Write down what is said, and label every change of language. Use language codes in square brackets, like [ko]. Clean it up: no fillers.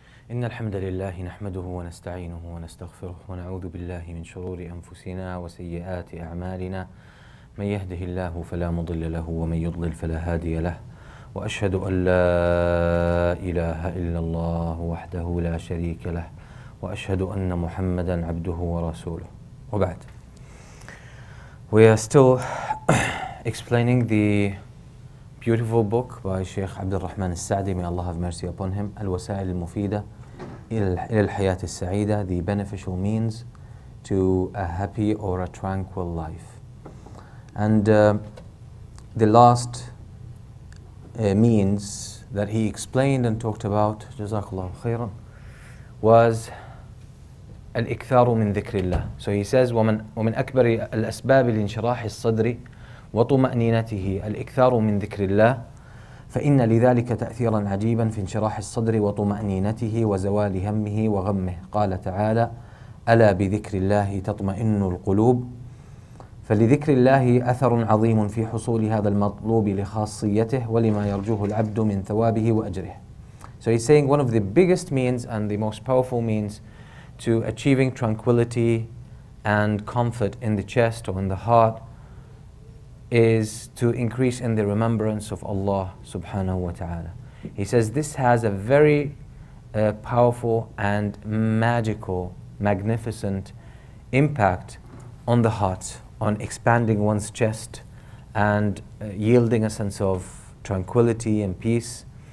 [ar] إن الحمد لله نحمده ونستعينه ونستغفره ونعوذ بالله من شرور أنفسنا وسيئات أعمالنا، من يهده الله فلا مضل له ومن يضلل فلا هادي له، وأشهد أن لا إله إلا الله وحده لا شريك له، وأشهد أن محمدا عبده ورسوله. وبعد. [en] We are still explaining the beautiful book by Sheikh عبد الرحمن السعدي, may Allah have mercy upon him, الوسائل المفيدة إلى الحياة السعيدة, the beneficial means to a happy or a tranquil life. And the last means that he explained and talked about, [ar] جزاكالله خيرا, [en] was [ar] الإكثار من ذكر الله. [en] So he says, [ar] ومن أكبر الأسباب لانشراح الصدر وطمأنينته الإكثار من ذكر الله فإن لذلك تأثيرا عجيبا في انشراح الصدر وطمأنينته وزوال همه وغمه. قال تعالى ألا بذكر الله تطمئن القلوب. فلذكر الله أثر عظيم في حصول هذا المطلوب لخاصيته ولما يرجوه العبد من ثوابه وأجره. [en] So he's saying one of the biggest means and the most powerful means to achieving tranquility and comfort in the chest or in the heart is to increase in the remembrance of Allah subhanahu wa ta'ala. He says this has a very powerful and magical, magnificent impact on the heart, on expanding one's chest and yielding a sense of tranquility and peace.